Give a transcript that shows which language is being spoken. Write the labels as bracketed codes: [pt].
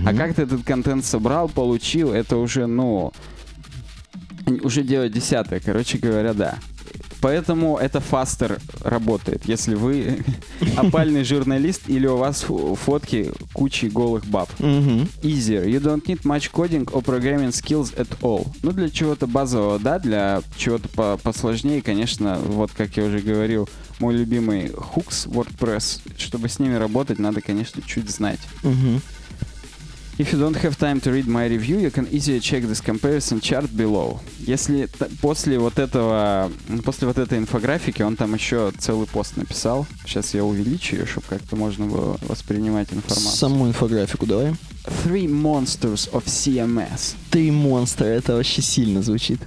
[ru] А как ты этот контент собрал, получил, это уже, ну... Уже дело десятое, короче говоря, да. Поэтому это [en] faster [ru] работает, если вы опальный журналист или у вас фотки кучи голых баб. [en] Easier. You don't need much coding or programming skills at all. [ru] Ну, для чего-то базового, да, для чего-то посложнее, конечно, вот как я уже говорил, мой любимый Hooks WordPress. Чтобы с ними работать, надо, конечно, чуть знать. [en] If you don't have time to read my review, you can easily check this comparison chart below. [ru] Если после вот этой инфографики, он там еще целый пост написал. Сейчас я увеличу ее, чтобы как-то можно было воспринимать информацию. Саму инфографику давай. [en] Three monsters of CMS. [ru] Три монстра, это вообще сильно звучит.